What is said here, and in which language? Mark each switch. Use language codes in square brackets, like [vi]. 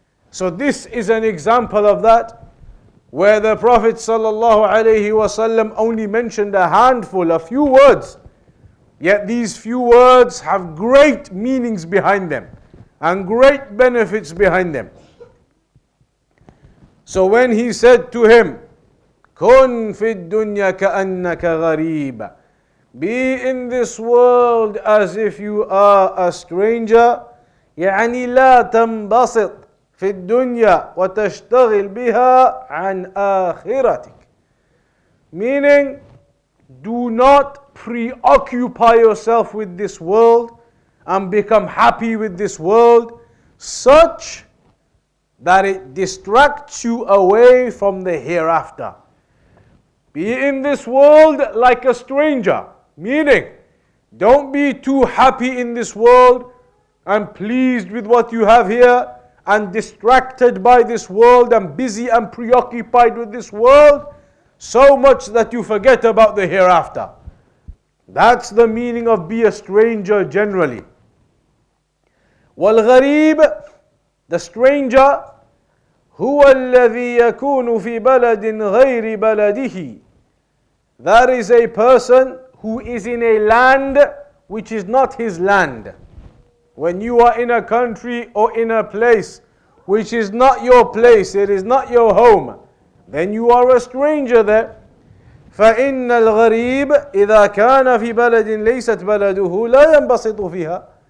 [en] So this is an example of that, where the Prophet sallallahu alayhi wasallam only mentioned a handful, a few words, yet these few words have great meanings behind them and great benefits behind them. So when he said to him, [ar] "Kun fi dunya ka annaka ghareeba," [en] be in this world as if you are a stranger. [ar] يعني لا تنبسط في الدنيا وتشتغل بها عن آخرتك. [en] Meaning, do not preoccupy yourself with this world and become happy with this world such that it distracts you away from the hereafter. Be in this world like a stranger. Meaning, don't be too happy in this world and pleased with what you have here and distracted by this world and busy and preoccupied with this world so much that you forget about the hereafter. That's the meaning of be a stranger generally. [ar] والغريب, [en] the stranger, [ar] هو الذي يكون في بلد غير بلده. [en] That is a person who is in a land which is not his land. When you are in a country or in a place which is not your place, it is not your home, then you are a stranger there. [ar] فَإِنَّ الْغَرِيبِ إِذَا كَانَ فِي بَلَدٍ لَيْسَتْ بَلَدُهُ لَا يَنْبَسِطُ فِيهَا.